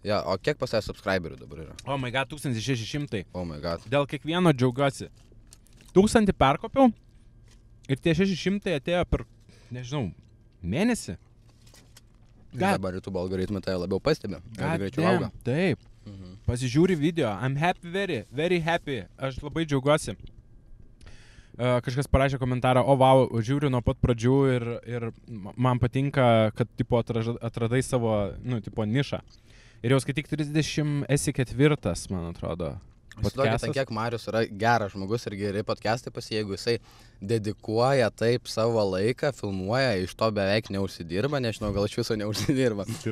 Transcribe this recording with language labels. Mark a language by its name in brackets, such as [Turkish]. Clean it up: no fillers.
[Lithuanian] Ja, o kiek pas tave subscriberių dabar yra? [English] Oh my god, 1600. Oh my god. [Lithuanian] Dėl kiekvieno džiaugiuosi. 1000 perkopiau ir tie 600 atėjo per, nežinau, mėnesį. Ir dabar YouTube algoritmai tai labiau pastebė. [English] God damn, [Lithuanian] taip. [English] Mm-hmm. [Lithuanian] Pasižiūri video, [English] I'm happy very, very happy. [Lithuanian] Aš labai džiaugiuosi. Kažkas parašė komentarą, o vau, wow, žiūriu nuo pat pradžių ir, ir man patinka, kad tipo, atradai savo, nu, tipo, nišą. Ir jau skaityk 30, esi ketvirtas, man atrodo, podcastas. Įsivaizduokit, ant kiek Marius yra geras žmogus ir geri podcastai pas, jeigu jisai dedikuoja taip savo laiką, filmuoja, iš to beveik neužsidirba, nežinau, gal iš viso neužsidirba.